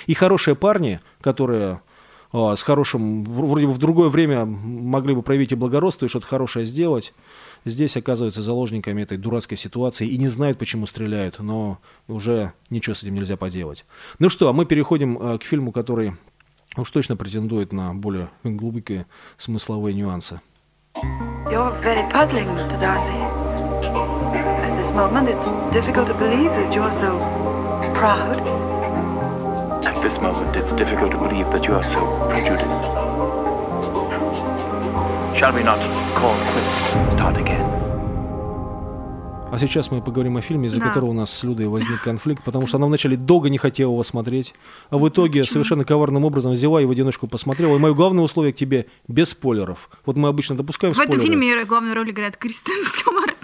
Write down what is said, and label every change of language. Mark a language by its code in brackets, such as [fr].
[ru] И хорошие парни, которые... с хорошим, вроде бы в другое время могли бы проявить и благородство, и что-то хорошее сделать. Здесь оказываются заложниками этой дурацкой ситуации и не знают, почему стреляют, но уже ничего с этим нельзя поделать. Ну что, а мы переходим к фильму, который уж точно претендует на более глубокие смысловые нюансы. [en] You're very puzzling, Mr. Darcy. At this moment it's difficult to believe that you're so proud. At this moment, it's difficult to believe that you are so prejudiced. Shall we not call quits and start again? [ru] А сейчас мы поговорим о фильме, из-за которого у нас с Людой возник конфликт, потому что она вначале долго не хотела его смотреть, а в итоге совершенно коварным образом взяла и в одиночку посмотрела. И мое главное условие к тебе – без спойлеров. Вот мы обычно допускаем спойлеры. В этом фильме главную роль играет Кристен Стюарт.